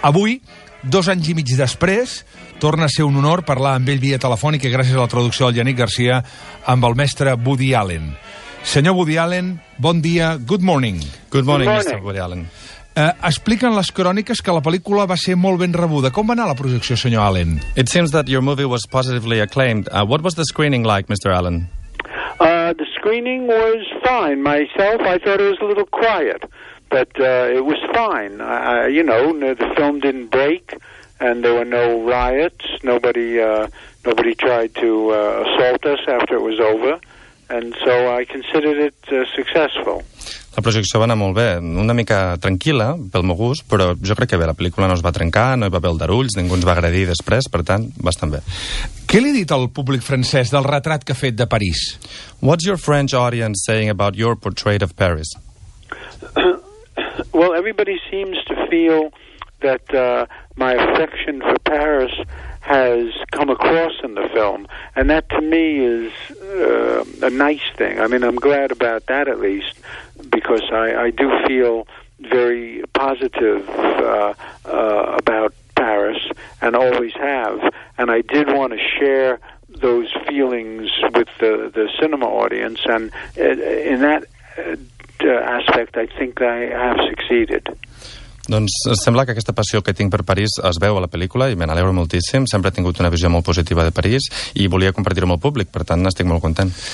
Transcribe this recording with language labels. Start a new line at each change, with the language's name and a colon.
Catalan: Avui, 2 anys i mig després, torna a ser un honor parlar amb ell via telefònica gràcies a la traducció del Yannick Garcia amb el mestre Woody Allen. Senyor Woody Allen, bon dia,
English: good morning. Good morning, Mr. Woody Allen.
Catalan: Expliquen les cròniques que la pel·lícula va ser molt ben rebuda. Com va anar la projecció, senyor Allen?
English: It seems that your movie was positively acclaimed. What was the screening like, Mr. Allen? The screening was fine. Myself, I thought it was a little quiet, but it was fine. The film didn't break, and there were no riots. Nobody tried to assault us after it was over, and so I considered it successful.
Catalan: La projecció va anar molt bé, una mica tranquil·la, pel meu gust, però jo crec que bé, la pel·lícula no es va trencar, no hi va haver aldarulls, ningú ens va agredir després, per tant, bastant bé. Què li ha dit al públic francès del retrat que ha fet de París?
English: What's your French audience saying about your portrait of Paris? Well, everybody seems to feel that my affection for Paris has come across in the film, and that to me is a nice thing. I mean, I'm glad about that at least, because I do feel very positive about Paris, and always have, and I did want to share those feelings with the cinema audience, and in that aspect I think I have succeeded.
Catalan: Doncs sembla que aquesta passió que tinc per París es veu a la pel·lícula i me n'alegro moltíssim. Sempre he tingut una visió molt positiva de París i volia compartir-ho amb el públic, per tant, estic molt content.